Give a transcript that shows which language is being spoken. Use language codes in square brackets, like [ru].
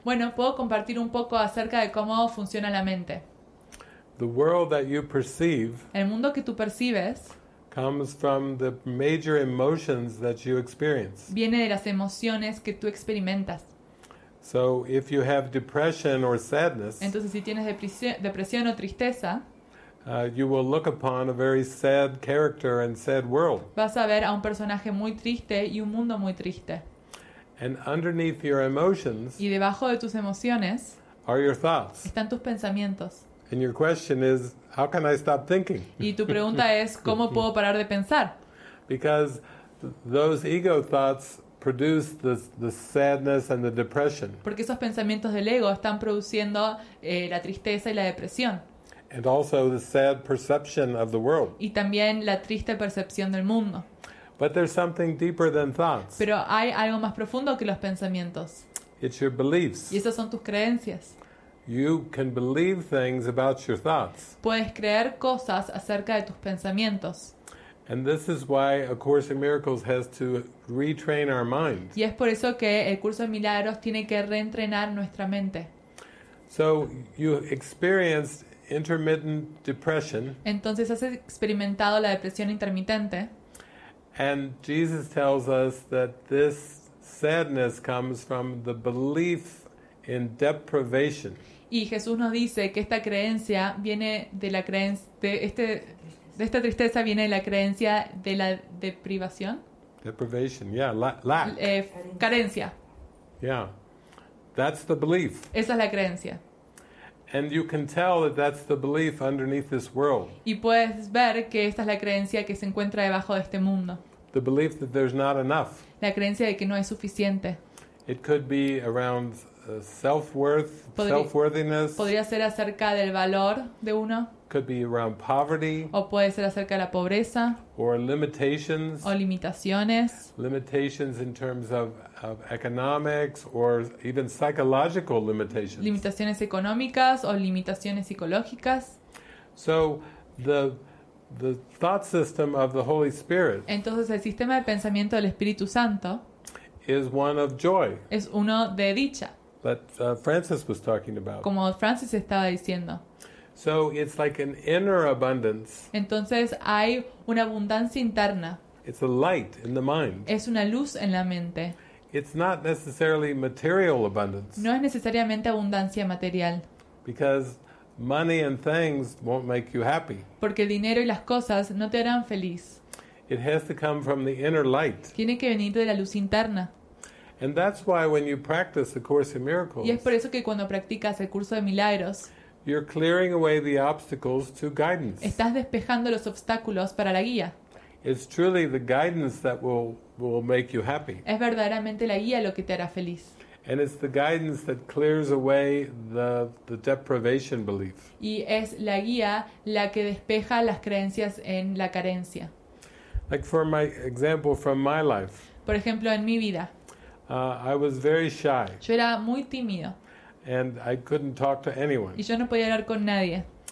[es] Bueno, puedo compartir un poco acerca de cómo funciona la mente. [en] The world that you perceive, [es] el mundo que tú percibes, [en] comes from the major emotions that you experience. [es] Viene de las emociones que tú experimentas. [en] So if you have depression or sadness, [es] entonces si tienes depresión o tristeza, [en] you will look upon a very sad character and sad world. [es] Vas a ver a un personaje muy triste y un mundo muy triste. [en] And underneath your emotions, [es] y debajo de tus emociones, [en] are your thoughts. [es] Están tus pensamientos. [en] And your question is, how can I stop thinking? [es] Y tu pregunta es, ¿cómo puedo parar de pensar? [en] Because those ego thoughts produce the sadness and the depression. [es] Porque esos pensamientos del ego están produciendo la tristeza y la depresión. [en] And also the sad perception of the world. [es] Y también la triste percepción del mundo. [en] But there's something deeper than thoughts. [es] Pero hay algo más profundo que los pensamientos. [en] It's your beliefs. [es] Y esas son tus creencias. [en] You can believe things about your thoughts. [es] Puedes creer cosas acerca de tus pensamientos. [en] And this is why A Course in Miracles has to retrain our mind. [es] Y es por eso que el curso de milagros tiene que reentrenar nuestra mente. [en] So you experienced intermittent depression. [es] Entonces has experimentado la depresión intermitente. [en] And Jesus tells us that this sadness comes from the belief in deprivation. [es] Y Jesús nos dice que esta creencia viene de la creencia de esta tristeza viene de la creencia de la deprivación. [en] Deprivation, yeah, lack. [es] Carencia. [en] Yeah, that's the belief. [es] Esa es la creencia. [en] And you can tell that that's the belief underneath this world. [es] Y puedes ver que esta es la creencia que se encuentra debajo de este mundo. [en] The belief that there's not enough. [es] La creencia de que no es suficiente. [en] It could be around self-worth, self-worthiness. [es] Podría ser acerca del valor de uno. [en] Could be around poverty. [es] O puede ser acerca de la pobreza. [en] Or limitations. [es] O limitaciones. [en] Limitations in terms of economics or even psychological limitations. [es] Limitaciones económicas o limitaciones psicológicas. [en] So the thought system of the Holy Spirit. [es] Entonces el sistema de pensamiento del Espíritu Santo. [en] Is one of joy. [es] Es uno de dicha. [en] That Francis was talking about. [es] Como Francis estaba diciendo. [en] So it's like an inner abundance. [es] Entonces hay una abundancia interna. [en] It's a light in the mind. [es] Es una luz en la mente. [en] It's not necessarily material abundance. [es] No es necesariamente abundancia material. [en] Because money and things won't make you happy. [es] Porque el dinero y las cosas no te harán feliz. [en] It has to come from the inner light. [es] Tiene que venir de la luz interna. [en] And that's why when you practice A Course in Miracles. [es] Y es por eso que cuando practicas el curso de milagros. [en] You're clearing away the obstacles to guidance. [es] Estás despejando los obstáculos para la guía. [en] It's truly the guidance that will make you happy. [es] Es verdaderamente la guía lo que te hará feliz. [en] And it's the guidance that clears away the deprivation belief. [es] Y es la guía la que despeja las creencias en la carencia. [en] Like for my example from my life. [es] Por ejemplo, en mi vida. [en] I was very shy. [es] Yo era muy tímido. [en] And I couldn't talk to anyone. [es] Y yo no podía hablar con nadie.